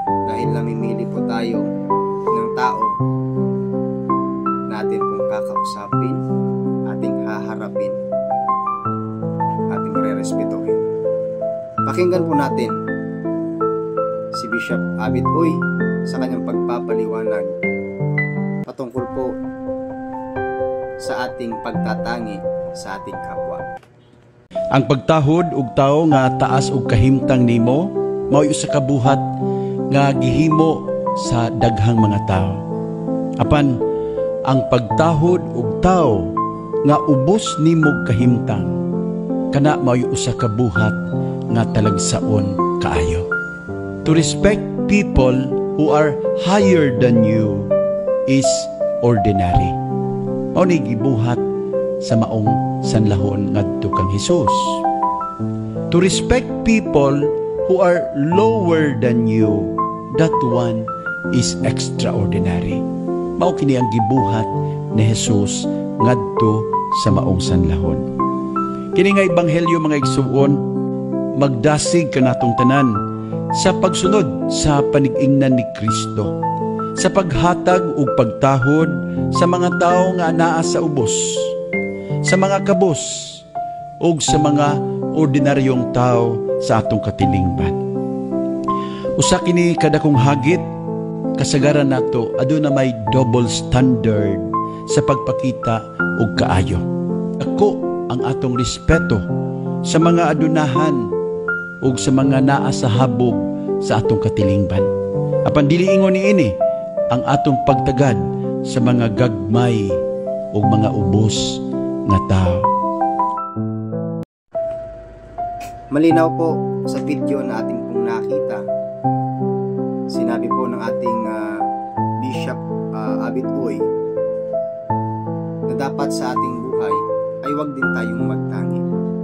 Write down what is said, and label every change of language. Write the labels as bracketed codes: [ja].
[tl] Dahil namimili po tayo ng tao natin pong kakausapin, ating haharapin, ating rerespetuhin. Pakinggan po natin si Bishop Abit Uy sa kanyang pagpapaliwanag patungkol po sa ating pagtatangi sa ating kapwa. [ceb] Ang pagtahod ug tawo nga taas ug kahimtang nimo mao'y usa ka buhat nga gihimo sa daghang mga tao. Apan ang pagtahod ug tawo nga ubos nimo kahimtang kana mao'y usa ka buhat nga talagsaon kaayo. [en] To respect people who are higher than you is ordinary. [ceb] Oni gibuhat sa maong sanlahon ngadto kang Hesus. [en] To respect people who are lower than you, that one is extraordinary. [ceb] Mao kini ang gibuhat ni Hesus ngadto sa maong sanlahon. Kini nga ebanghelyo mga igsuon, magdasig kanatong tanan sa pagsunod sa paniginan ni Kristo, sa paghatag ug pagtahod sa mga tao nga anaa sa ubos, sa mga kabos ug sa mga ordinaryong tao sa atong katilingban. Usa kini kadakong hagit kasagaran nato aduna may double standard sa pagpakita ug kaayo. Ako ang atong respeto sa mga adunahan ug sa mga naa sa habog sa atong katilingban. Apan dili ingon niini ang atong pagtagad sa mga gagmay o mga ubos na tao. [tl] Malinaw po sa video na ating pong nakita, sinabi po ng ating Bishop Abit Uy na dapat sa ating buhay ay huwag din tayong magtangi.